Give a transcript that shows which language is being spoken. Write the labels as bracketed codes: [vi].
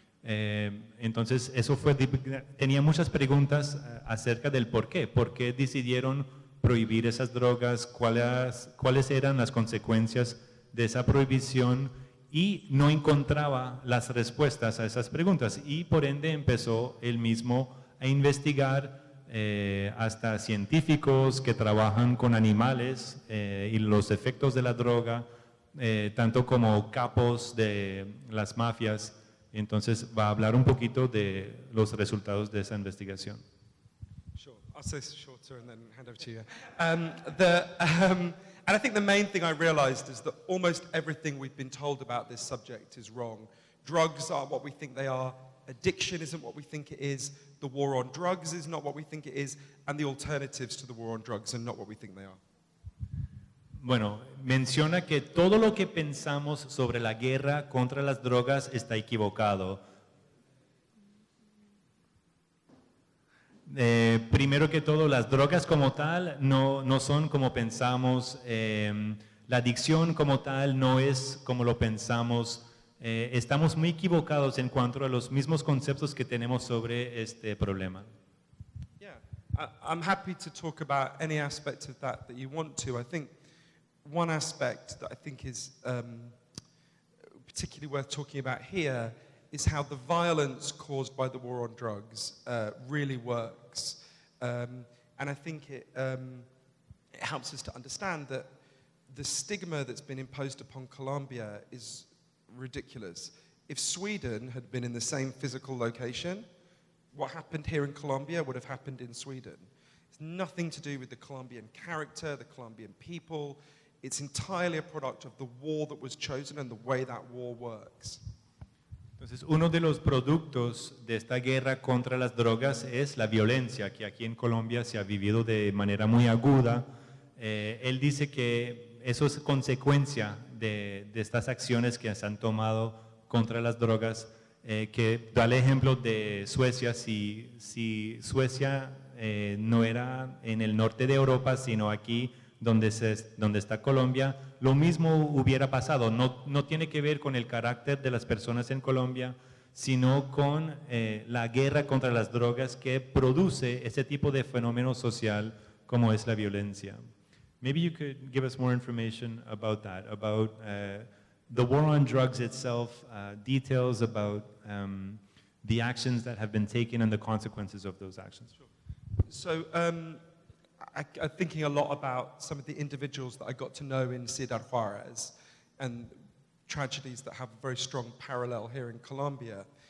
[es] Entonces, eso fue, tenía muchas preguntas acerca del por qué decidieron prohibir esas drogas, cuáles eran las consecuencias de esa prohibición, y no encontraba las respuestas a esas preguntas, y por ende empezó él mismo a investigar hasta científicos que trabajan con animales y los efectos de la droga, tanto como capos de las mafias. Entonces, va a hablar un poquito de los resultados de esa investigación. [en] Sure. I'll say shorter and then hand over to you. And I think the main thing I realized is that almost everything we've been told about this subject is wrong. Drugs aren't what we think they are. Addiction isn't what we think it is. The war on drugs is not what we think it is. And the alternatives to the war on drugs are not what we think they are. [es] Bueno, menciona que todo lo que pensamos sobre la guerra contra las drogas está equivocado. Primero que todo, las drogas como tal no son como pensamos. La adicción como tal no es como lo pensamos. Estamos muy equivocados en cuanto a los mismos conceptos que tenemos sobre este problema. [en] Yeah, I'm happy to talk about any aspect of that that you want to. I think one aspect that I think is particularly worth talking about here is how the violence caused by the war on drugs really works. And I think it helps us to understand that the stigma that's been imposed upon Colombia is ridiculous. If Sweden had been in the same physical location, what happened here in Colombia would have happened in Sweden. It's nothing to do with the Colombian character, the Colombian people. It's entirely a product of the war that was chosen and the way that war works. [es] Entonces, uno de los productos de esta guerra contra las drogas es la violencia, que aquí en Colombia se ha vivido de manera muy aguda. Él dice que eso es consecuencia de estas acciones que se han tomado contra las drogas, que da el ejemplo de Suecia. Si Suecia no era en el norte de Europa, sino aquí, donde está Colombia, lo mismo hubiera pasado. No tiene que ver con el carácter de las personas en Colombia, sino con la guerra contra las drogas que produce ese tipo de fenómeno social como es la violencia. [en] Maybe you could give us more information about that, about the war on drugs itself, details about the actions that have been taken and the consequences of those actions. Sure. So, I'm thinking a lot about some of the individuals that I got to know in Ciudad Juarez and tragedies that have a very strong parallel here in Colombia.